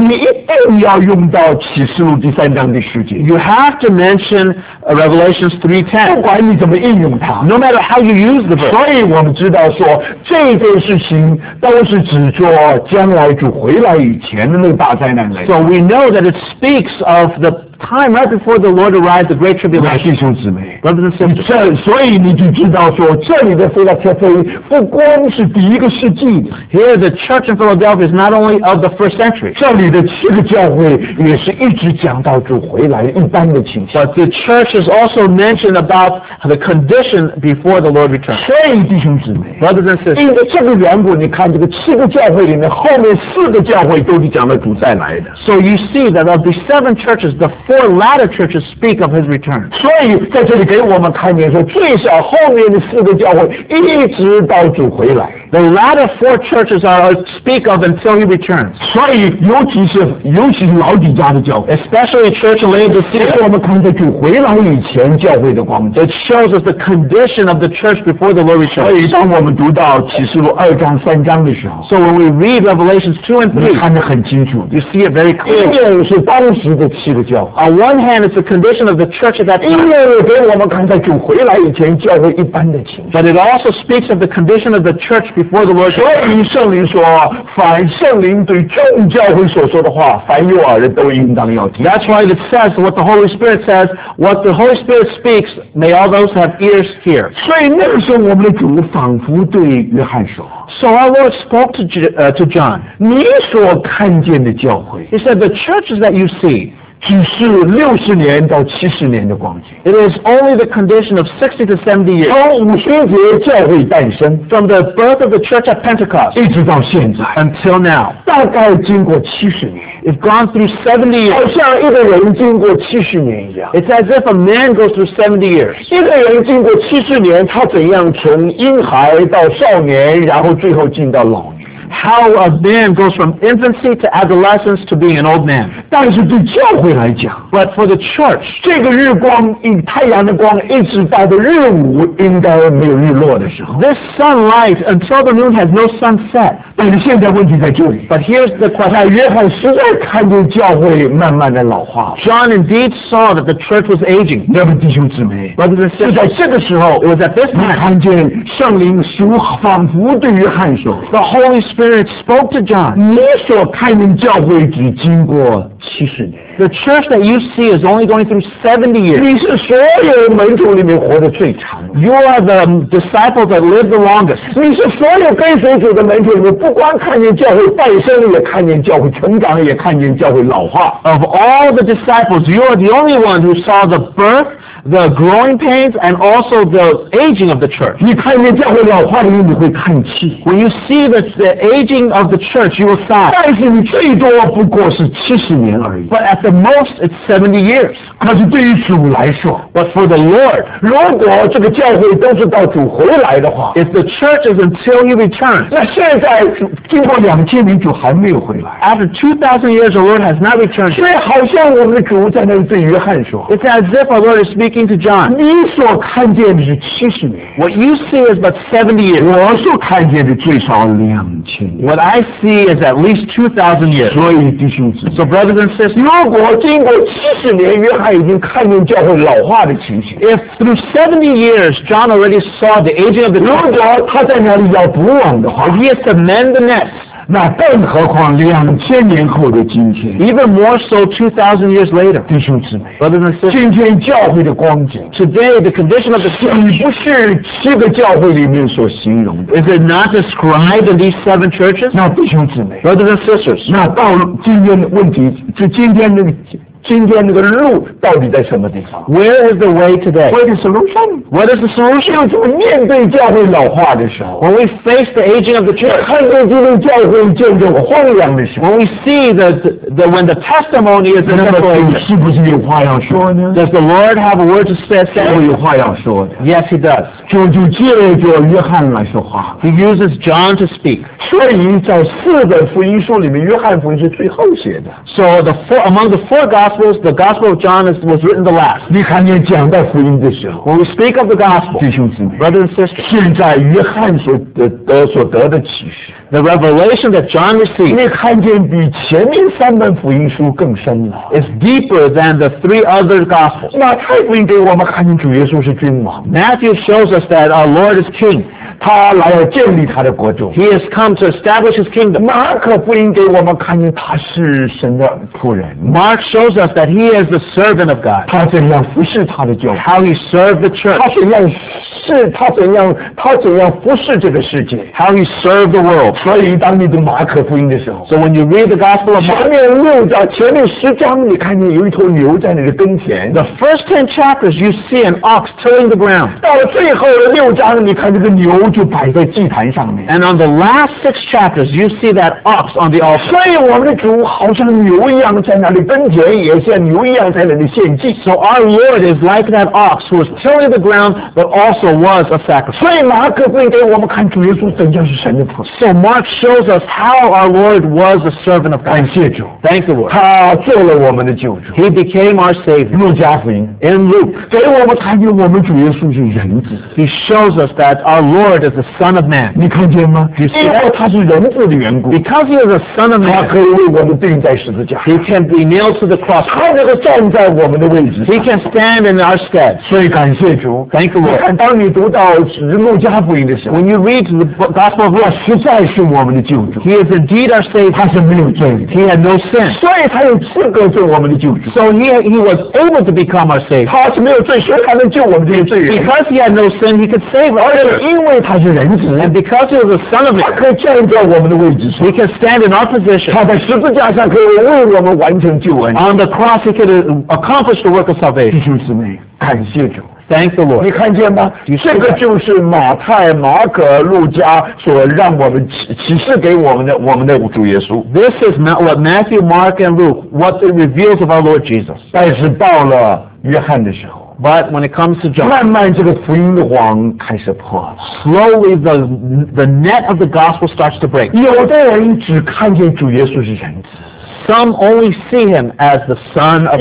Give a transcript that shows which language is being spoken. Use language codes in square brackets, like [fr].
[zh] 你一定要用到启示录第三章第十节。 [en] You have to mention Revelation 3:10. [zh] 不管你怎么应用它 [en] ，No matter how you use the verb. [zh] 所以我们知道说这件事情都是指着将来主回来以前的那个大灾难来。 [en] So we know that it speaks of the time right before the Lord arrived, the great tribulation. [zh] 弟兄姊妹 [en] ，Brothers and sisters. [zh] 所以你就知道说这里的腓立比教会不光是第一个世纪。 [en] Here the church in Philadelphia is not only of the first century. [zh] 这里的七个教会也是一直讲到主回来一般的情形。 [en] But the church is also mentioned about the condition before the Lord returns. [zh] 所以弟兄姊妹 [en] ，Brothers and sisters. [zh] 因为这个缘故，你看这个七个教会里面后面四个教会都是讲到主再来的。 [en] So you see that of the seven churches, the four latter churches speak of his return. [zh] 所以在这里给我们看见说，最少后面的四个教会一直到主回来。 [en] The latter four churches are speak of until he returns. [zh] 所以尤其是老底家的教会 [en] ，especially church in Laodicea. [zh] 给我们看见主回来以前教会的光景。 [en] It shows us the condition of the church before the Lord returns. [zh] 所以当我们读到启示录二章三章的时候 [en] ，So when we read Revelations 2 and 3, [zh] 你看得很清楚 [en] ，You see it very clearly. [zh] 一面是当时的七个教会 [en] ，On one hand, it's the condition of the church at that time. [zh] 一面又给我们看见主回来以前教会一般的情形。 [en] But it also speaks of the condition of the church. Before the Lord, [zh] 所以圣灵说，凡圣灵对众教会所说的话，凡有耳的都应当要听。 [en] That's why it says what the Holy Spirit says. What the Holy Spirit speaks, may all those have ears hear. [zh] 所以那个时候，我们的主仿佛对约翰说。 [en] So our Lord spoke to John. [zh] 你所看见的教会。 [en] He said, the churches that you see. [zh] 只是六十年到七十年的光景。 [en] It is only the condition of 60 to 70 years. [zh] 从五旬节教会诞生 [en] ，from the birth of the church at Pentecost， [zh] 一直到现在 [en] ，until now， [zh] 大概经过七十年。 [en] It's gone through 70 years， [zh] 好像一个人经过七十年一样。 [en] It's as if a man goes through 70 years。 [zh] 一个人经过七十年，他怎样从婴孩到少年，然后最后进到老年？ [en] How a man goes from infancy to adolescence to being an old man. [zh] 但是对教会来讲 [en] ，But for the church， [zh] 这个日光，太阳的光一直到的日午，应该没有日落的时候。 [en] This sunlight until the moon has no sunset. [zh] 但是现在问题在这里。 [en] But here's the question. [zh] 约翰实在看见教会慢慢的老化。 [en] John indeed saw that the church was aging. [zh] 那么弟兄姊妹 [en] ，Brothers and sisters， [zh] 就在这个时候 [en] ，It was at this time， [zh] 你看见圣灵似乎仿佛对约翰说 [en] ，The Holy Spirit spoke to John. [zh] 你所看见教会只经过七十年。 [en] The church that you see is only going through 70 years. [zh] 你是所有门徒里面活得最长。 [en] You are the disciple that lived the longest. [zh] 你是所有跟随主的门徒里面，不光看见教会诞生，也看见教会成长，也看见教会老化。 [en] Of all the disciples, you are the only one who saw the birth. The growing pains and also the aging of the church. [zh] 你看见教会老化的时候，你会叹气。 [en] When you see the aging of the church, you will sigh. [zh] 但是你最多不过是七十年而已。 [en] But at the most, it's 70 years. [zh] 可是对于主来说 [en] ，But for the Lord, [zh] 如果这个教会都是到主回来的话 [en] ，If the church is until He returns, [zh] 那现在经过两千年，主还没有回来。 [en] After 2,000 years, the Lord has not returned. [zh] 所以好像我们的主在那里对约翰说 [en] ，It's as if our Lord is speaking. Speaking to John, [zh] 你所看见的是七十年。 [en] What you see is but 70 years. [zh] 我所看见的最少两千年。 [en] What I see is at least 2,000 years. [zh] 所以弟兄姊妹 [en] ，So brothers and sisters, [zh] 如果经过七十年，约翰已经看见教会老化的情形。 [en] If through 70 years, John already saw the aging of the church. [zh] 如果他在那里要补网的话 [en] ，If he has to mend the nets. [zh] 那更何况两千年后的今天。 [en] Even more so 2,000 years later. [zh] 弟兄姊妹。 [en] Brothers and sisters. [zh] 今天教会的光景。 [en] Today, the condition of the church. [zh] 岂不是七个教会里面所形容的。 [en] Is it not described in these seven churches? [zh] 那弟兄姊妹。 [en] Brothers and sisters. [zh] 那到今天的问题，就今天那个今天那个路到底在什么地方 [en] ？Where is the way today? What is the solution? What is the solution? [zh] 就面对教会老化的时候 [en] ，When we face the aging of the church， [zh] 看到基督教会渐渐荒凉的时候 [en] ，When we see the when the testimony is in the place， [zh] 是不是有话要说呢 [en] ？Does the Lord have a word to say？ [zh] 是不是有话要说的 [en] ？Yes, He does。 [zh] 就借着约翰来说话。 [en] He uses John to speak。 [zh] 所以在四本福音书里面，约翰福音是最后写的。 [en] So the four among the four gospels。 The Gospel of John was written the last. [zh] 你看见讲到福音的时候 [en] ，When we speak of the gospel, [zh] 弟兄姊妹 [en] ，brothers and sisters, [zh] 现在约翰所得的启示 [en] ，the revelation that John received, [zh] 你看见比前面三本福音书更深了 [en] ，is deeper than the three other gospels. [zh] 马太福音给我们看见主耶稣是君王 [en] ，Matthew shows us that our Lord is king. [zh] 他来要建立他的国度 [en] ，He has come to establish his kingdom. [zh] 马可福音给我们看见他是神的仆人 [en] ，Mark shows us that he is the servant of God. [zh] 他怎样服侍他的教会 [en] ？How he served the church. [zh] 他怎样服侍这个世界 [en] ？How he served the world. [zh] 所以当你读马可福音的时候 [en] ，So when you read the Gospel of Mark, [zh] 前面十章你看见有一头牛在你的跟前。 [en] The first 10 chapters, you see an ox tilling the ground. [zh] 到最后的六章，你看这个牛就摆在祭坛上面。 [en] And on the last 6 chapters, you see that ox on the altar. [zh] 所以我们的主好像牛一样在那里跟前。也像牛一样在那里献祭 [en] So our Lord is like that ox who was tilling the ground but also was a sacrifice [zh] 所以马可福音给我们看主耶稣怎样是神的仆人 [en] So Mark shows us how our Lord was a servant of God [zh] 感谢主 [en] Thank the Lord [zh] 他做了我们的救主 [en] He became our Savior [zh] 路加福音 [en] In Luke [zh] 给我们看见我们主耶稣是人子 [en] He shows us that our Lord is the Son of Man [zh] 你看见吗 [en] You see [zh] 因为他是人子的缘故 [en] Because he is a Son of Man [zh] 他可以为我们钉在十字架 [en] He can be nailed to the cross [zh] 他能够站在我们的位置 [en] He can stand in our stead [zh] 所以感谢主 [en] Thank you Lord [zh] 你看当你读到路加福音的时候 [en] When you read the Gospel of Luke [zh] 实在是我们的救主 [en] He is indeed our Savior [zh] 他是没有罪 [en] He had no sin [zh] 所以他有资格做我们的救主 [en] So he was able to become our Savior [zh] 他是没有罪所以他能救我们这些罪人 [en] Because he had no sin he could save us [zh] 而且因为他是人子 [en] And because he was a son of man [zh] 他可以站在我们的位置上 [en] He can stand in our position [zh] 他在十字架上可以为我们完成救恩 [en] On theCross, he could accomplish the work of salvation. [zh] 弟兄姊妹，感谢主。 [en] Thank the Lord. [zh] 你看见吗？这个就是马太、马可、路加所让我们启示给我们的主耶稣。 [en] This is what Matthew, Mark, and Luke what it reveals of our Lord Jesus. [zh] 但是到了约翰的时候。 [en] But when it comes to John, [zh] 慢慢这个福音的网开始破了 [en] Slowly the net of the gospel starts to break. [zh] 有的人只看见主耶稣是人子。 [en] Some only see him as the son of.